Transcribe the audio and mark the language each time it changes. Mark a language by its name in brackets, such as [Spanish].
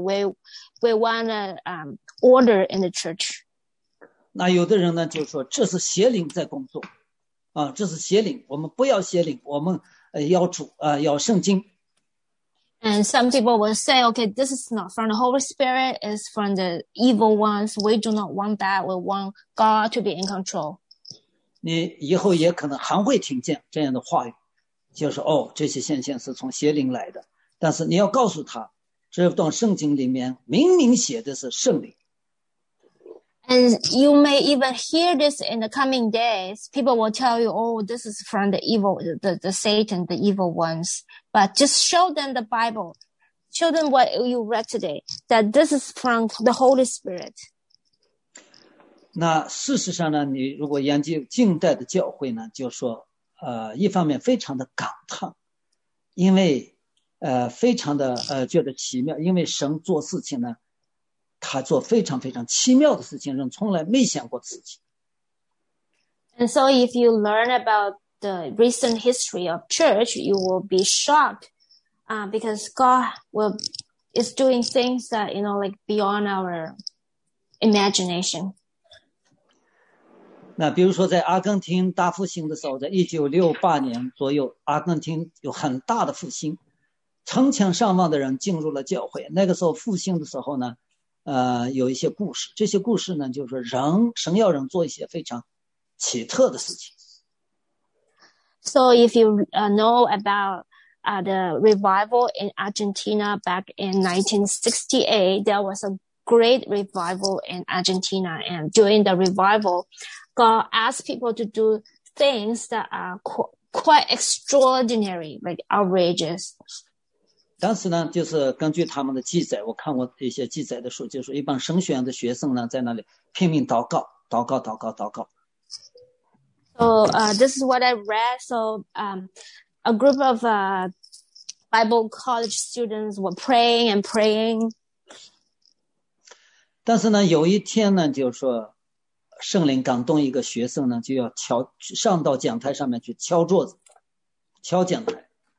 [English] We want order in the church. [Chinese] 那有的人呢，就说这是邪灵在工作，啊，这是邪灵，我们不要邪灵，我们要主，要圣经。 [English] And some people will say, okay, this is not from the Holy Spirit, it's from the evil ones. We do not want that. We want God to be in control. [Chinese] 你以后也可能还会听见这样的话语，就是哦，这些现象是从邪灵来的。但是你要告诉他，这段圣经里面明明写的是圣灵。 [English] And you may even hear this in the coming days. People will tell you, oh, this is from the evil, the Satan, the evil ones. But just show them the Bible. Show them what you read today, that this is from the Holy Spirit. [Chinese] 那事实上呢，你如果研究近代的教会呢，就说，一方面非常的感叹，因为，非常的，觉得奇妙，因为神做事情呢，他做非常非常奇妙的事情，人从来没想过自己。 [English] And so, if you learn about the recent history of church, you will be shocked, because God is doing things that you know, like beyond our imagination. [Chinese] 那比如说，在阿根廷大复兴的时候，在1968年左右，阿根廷有很大的复兴，成千上万的人进入了教会。那个时候复兴的时候呢？有一些故事，这些故事呢，就是说神要人做一些非常奇特的事情。 [English] So if you know about the revival in Argentina back in 1968, there was a great revival in Argentina. And during the revival, God asked people to do things that are quite extraordinary, like outrageous. [Chinese] 当时呢，就是根据他们的记载，我看过一些记载的书，就是一帮神学院的学生呢，在那里拼命祷告，祷告，祷告，祷告。 [English] So, this is what I read. So, a group of Bible college students were praying and praying. [Chinese] 但是呢，有一天呢，就是说，圣灵感动一个学生呢，就要上到讲台上面去敲桌子，敲讲台。